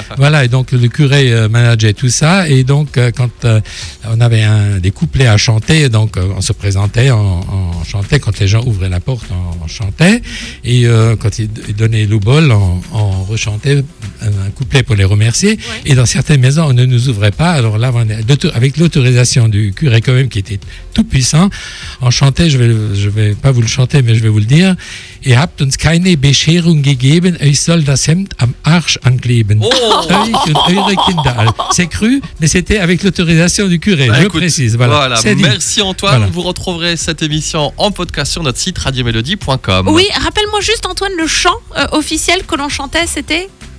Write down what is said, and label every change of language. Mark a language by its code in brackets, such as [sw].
[fr] Voilà, et donc le curé manageait tout ça, et donc quand on avait des couplets à chanter, donc on se présentait, on chantait quand les gens ouvraient la porte, on chantait, et quand ils donnaient l'oubol, on rechantait un couplet pour les remercier. Ouais. Et dans certaines maisons, on ne nous ouvrait pas. Alors là, avec l'autorisation du curé quand même, qui était tout puissant, on chantait, je vais pas vous le chanter, mais je vais vous le dire. [de] « Ihr habt uns keine Bescherung gegeben, ich soll das Hemd am Arsch ankleben. Oh. »« Euch und eure Kinder. [fr] » C'est cru, mais c'était avec l'autorisation du curé, bah, je écoute, précise. Voilà, c'est dit. Merci Antoine, voilà. Vous retrouverez cette émission en podcast sur notre site radiomélodie.com. Oui, rappelle-moi juste Antoine, le chant officiel que l'on chantait, c'était